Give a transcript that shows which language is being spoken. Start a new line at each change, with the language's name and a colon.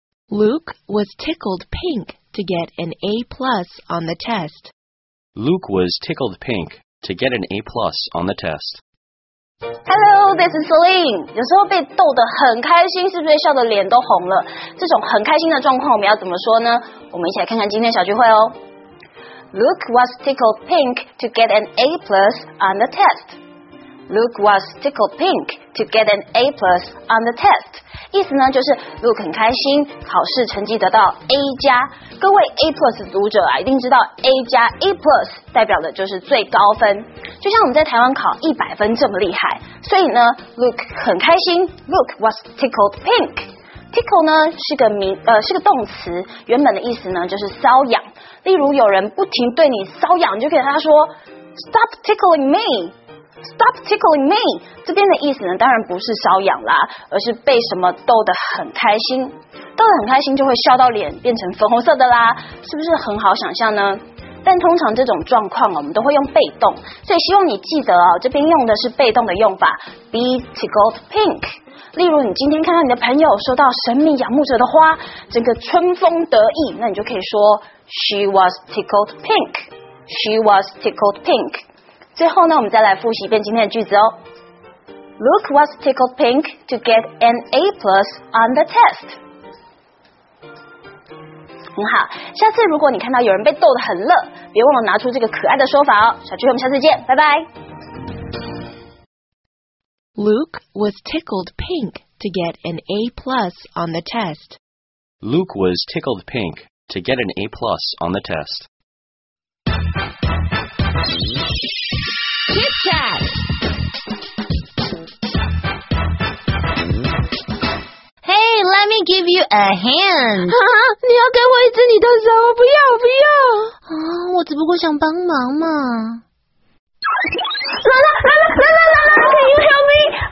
English: Luke was tickled pink to get an A+ on the test. Luke was tickled pink to get an A+ on the test. Hello, this is Celine.
Chinese: 有时候被逗得很开心，是不是笑得脸都红了？这种很开心的状况我们要怎么说呢？我们一起来看看今天小聚会哦。
English: Luke was tickled pink to get an A+ on the test. Luke was tickled pink to get an A+ on the test.
Chinese: 意思呢就是 Luke 很开心考试成绩得到 A+。各位 A+ 读者啊一定知道 A+,A+ 代表的就是最高分。就像我们在台湾考100分这么厉害。所以呢 ,Luke 很开心 ,
English: Luke was tickled pink。
Chinese: Tickle 呢是个动词，原本的意思呢就是搔痒。例如有人不停对你搔痒，你就可以跟他说 ,
English: Stop tickling me! Stop tickling me!
Chinese: 这边的意思呢当然不是搔痒啦，而是被什么逗得很开心。逗得很开心就会笑到脸变成粉红色的啦，是不是很好想象呢？但通常这种状况我们都会用被动，所以希望你记得哦，这边用的是被动的用法
English: be tickled pink。
Chinese: 例如你今天看到你的朋友收到神秘仰慕者的花，整个春风得意，那你就可以说
English: She was tickled pink. She was tickled pink.
Chinese: 最后呢，我们再来复习一遍今天的句子哦。
English: Luke was tickled pink to get an A+ on the test.
Chinese: 很好，下次如果你看到有人被逗得很乐，别忘了拿出这个可爱的说法哦。小聚会，我们下次见，拜拜。
English: Luke was tickled pink to get an A+ on the test. Luke was tickled pink to get an A+ on the test. Kit Kat. Hey, let me give you a hand.
Chinese: 哈哈，你要给我一只你的手，不要不要。啊，我只不过想帮忙嘛。来了
English: ，Can you help me?